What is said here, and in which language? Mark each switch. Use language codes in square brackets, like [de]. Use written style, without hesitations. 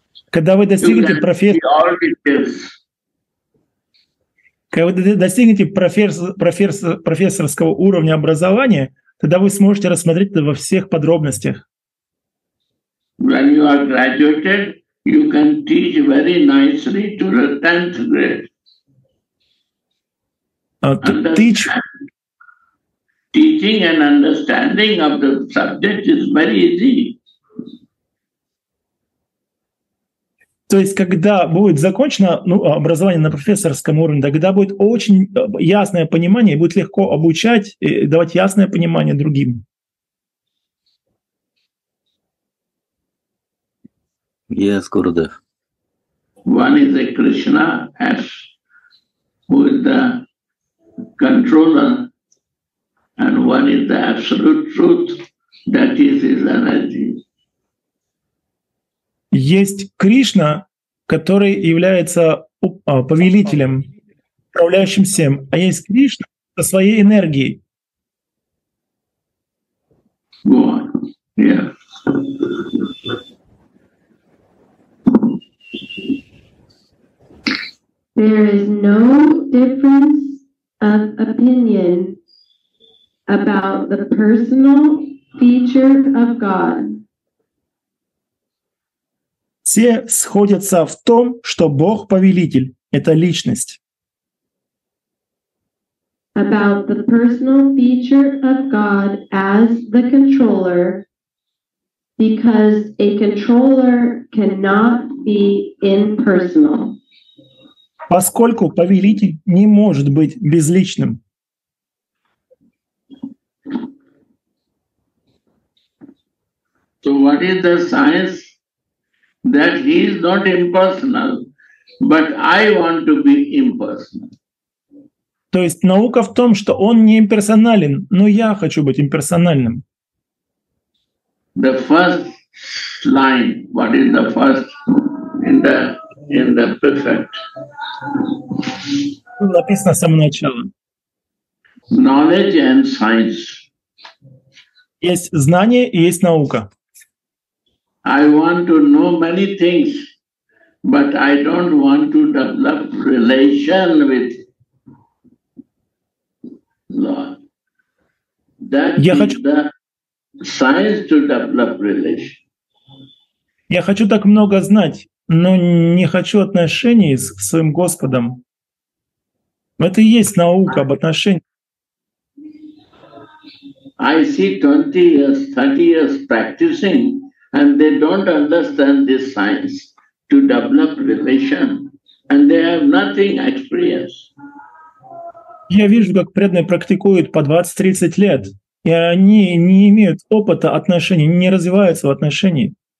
[ru] Когда вы достигнете профессии, Когда вы достигнете профессорского уровня образования, тогда вы сможете рассмотреть это во всех подробностях. [en] When you are graduated, you can teach very nicely to the 10th grade. Teaching and understanding of the subject is very easy. [ru] То есть, когда будет закончено образование на профессорском уровне, тогда будет очень ясное понимание, будет легко обучать и давать ясное понимание другим. [en] Yes, Gurudev. One is a Krishna who is the controller, and one is the absolute truth, that is his energy. [ru] Есть Кришна, который является повелителем, управляющим всем, а есть Кришна со своей энергией. [en] There is no difference of opinion about the personal feature of God. [ru] Все сходятся в том, что Бог — повелитель, это личность. [en] About the personal feature of God as the controller, because a controller cannot be impersonal. [ru] Поскольку повелитель не может быть безличным. [en] So what is the science? That he is not impersonal, but I want to be impersonal. [ru] То есть наука в том, что он не имперсонален, но я хочу быть имперсональным. [en] The first line, what is the first in the perfect? [ru] Написано с самого начала. [en] Knowledge and science. [ru] Есть знание и есть наука. [en] I want to know many things, but I don't want to develop relation with Lord. The science to develop relation. [ru] Я хочу так много знать, но не хочу отношений с своим Господом. Это и есть наука об отношениях. [en] I see 20 years, 30 years practicing. And they don't understand this science to develop relation, and they have nothing experience. [ru] Я вижу, как преданные практикуют по 20-30 лет, и они не имеют опыта отношений, не развиваются в отношении.